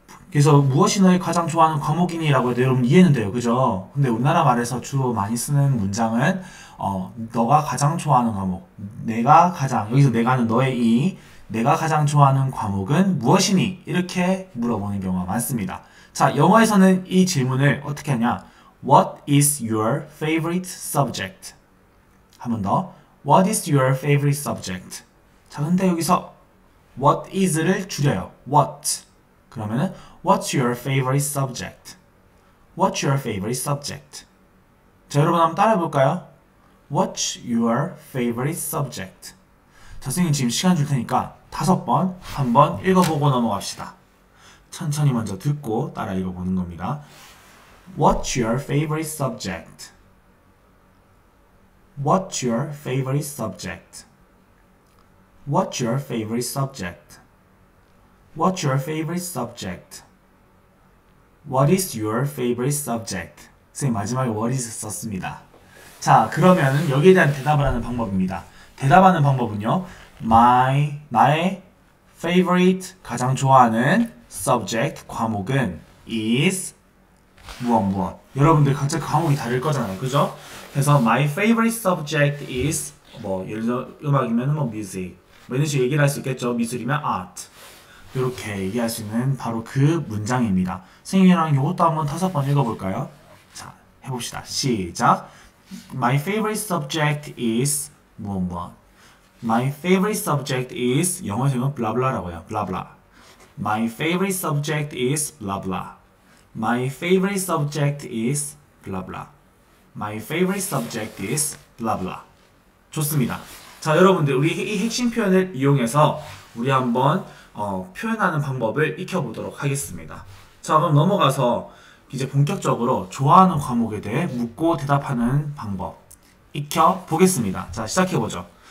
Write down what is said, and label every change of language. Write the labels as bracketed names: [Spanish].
[Korean] 그래서 무엇이 너의 가장 좋아하는 과목이니? 라고 해도 여러분 이해는 돼요. 그죠? 근데 우리나라 말에서 주로 많이 쓰는 문장은 너가 가장 좋아하는 과목, 내가 가장, 여기서 내가 하는 너의 이, 내가 가장 좋아하는 과목은 무엇이니? 이렇게 물어보는 경우가 많습니다. 자, 영어에서는 이 질문을 어떻게 하냐? [English] What is your favorite subject? [Korean] 한번 더. [English] What is your favorite subject? [Korean] 자, 근데 여기서 what is를 줄여요. [English] What. 그러면은 what's your favorite subject? What's your favorite subject? [Korean] 자, 여러분 한번 따라해 볼까요? [English] What's your favorite subject? [Korean] 자, 선생님 지금 시간 줄 테니까 다섯 번 한번 읽어보고 넘어갑시다. 천천히 먼저 듣고 따라 읽어보는 겁니다. [English] What's your favorite subject? What's your favorite subject? What's your favorite subject? What's your favorite subject? What is your favorite subject? [Korean] 선생님, 마지막에 what is 썼습니다. 자, 그러면 여기에 대한 대답을 하는 방법입니다. 대답하는 방법은요. 나의 favorite, 가장 좋아하는 subject, 과목은 is 무언무언. 여러분들 각자 과목이 다를 거잖아요. 그죠? 그래서 [English] my favorite subject is [Korean] 뭐, 예를 들어 음악이면 뭐 music. 뭐 이런 식으로 얘기를 할수 있겠죠. 미술이면 art. 이렇게 얘기할 수 있는 바로 그 문장입니다. 선생님이랑 이것도 한번 다섯 번 읽어볼까요? 자, 해봅시다. 시작. [English] My favorite subject is 무언무언. My favorite subject is [Korean] 영어로는 블라블라라고요. 블라블라. [English] My favorite subject is 블라블라. My favorite subject is 블라블라. My favorite subject is 블라블라. [Korean] 좋습니다. 자, 여러분들, 우리 이 핵심 표현을 이용해서 우리 한번, 표현하는 방법을 익혀보도록 하겠습니다. 자, 그럼 넘어가서 이제 본격적으로 좋아하는 과목에 대해 묻고 대답하는 방법 익혀보겠습니다. 자, 시작해보죠.